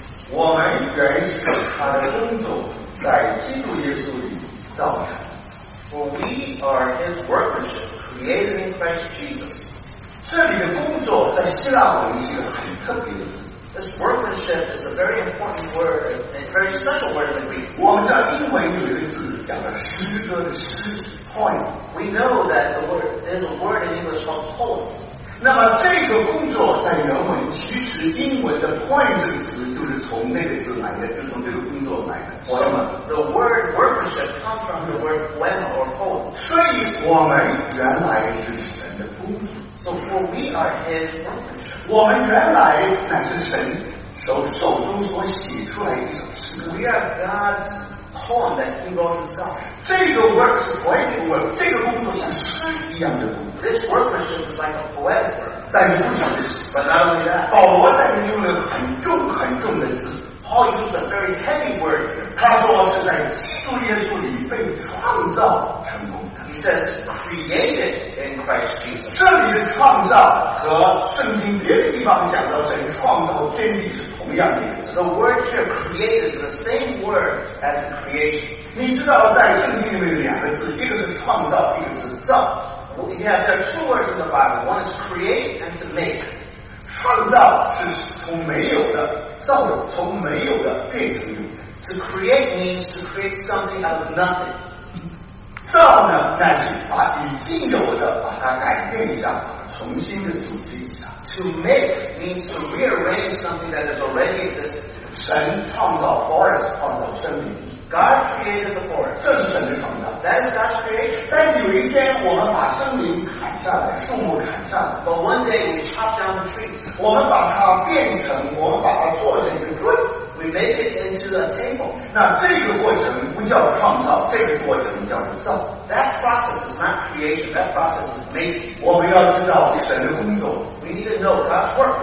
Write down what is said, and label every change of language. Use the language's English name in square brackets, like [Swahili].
[Chinese] 我们原是他的工作，在基督耶稣里造成。 [English] For we are his workmanship, created in Christ Jesus. [Chinese] 这里的工作在希腊文是一个很特别的。 [English] This workmanship is a very important word, a very special word in Greek. [Chinese] 我们知道英文有一个字叫做诗歌的诗 ，poem. [English] We know that the word is a word in English called poem. [Chinese] 那么这个工作在原文其实英文的 poem 这个词就是从那个字来的，就从这个工作来的。什么 [English] ？The word workmanship comes from the word poem or poem. [Chinese] 所以我们原来是神的工作。 [English] So for we are His workmanship. [Chinese] 我们原来乃是神手中所写出来的诗歌。 [English] We are God's poem that He wrote Himself. [Chinese] 这个 [English] work [Chinese] 是 [English] poetic work， [Chinese] 这个工作像诗一样的工作。 [English] This workmanship is like a poetic work. [Chinese] 但是不像的诗。 [English] But not only that. [Chinese] 保罗在这里用了很重很重的字。 [English] Paul used a very heavy word. [Chinese] 他说是在基督耶稣里被创造成功。 [English] He says, created in Christ Jesus. [Chinese] 这里的创造和圣经别的地方讲到神创造天地是同样的意思。 [English] The word here, created, is the same word as creation. [Chinese] 你知道在圣经里面有两个字，一个是创造，一个是造。 [English] Well, yeah, there are two words in the Bible. One is create and to make. [Chinese] 创造是从没有的，造的从没有的变成有的。 [English] To create means to create something out of nothing. [Chinese] 造呢，那是把已经有的把它改变一下，重新的组织一下。 [English] To make means to rearrange something that is already exists. [Chinese] 神创造 forest， 创造森林。 [English] God created the forest. [Chinese] 这是神的创造。 [English] That is God's creation. [Chinese] 但有一天我们把森林砍下来，树木砍下来。 [English] But one day we chop down the trees. [Chinese] 我们把它变成，我们把它做成一个桌子。 [English] We make it into the table. [Chinese] 那这个过程不叫创造，这个过程叫造。 [English] That process is not creation. That process is making. [Chinese] 我们要知道神的工作。 [English] We need to know God's work.